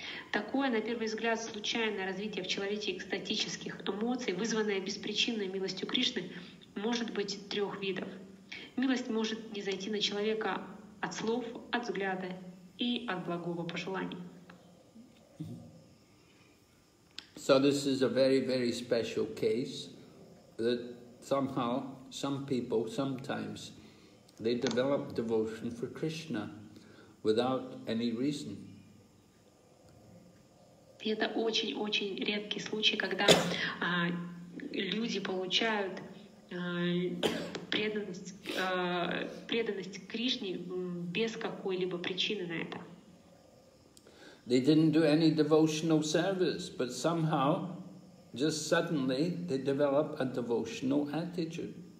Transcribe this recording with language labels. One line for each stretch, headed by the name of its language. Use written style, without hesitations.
Russian: Такое, на первый взгляд, случайное развитие в человеке экстатических эмоций, вызванное беспричинной милостью Кришны, может быть трех видов. Милость может низойти на человека от слов, от взгляда и от благого пожелания.
English: So this is a very, very special case that somehow some people sometimes they develop devotion for Krishna without any reason.
Russian: И это очень-очень редкий случай, когда люди получают преданность Кришне без какой-либо причины на это.
English: They didn't do any devotional service, but somehow, just suddenly, they develop a devotional attitude.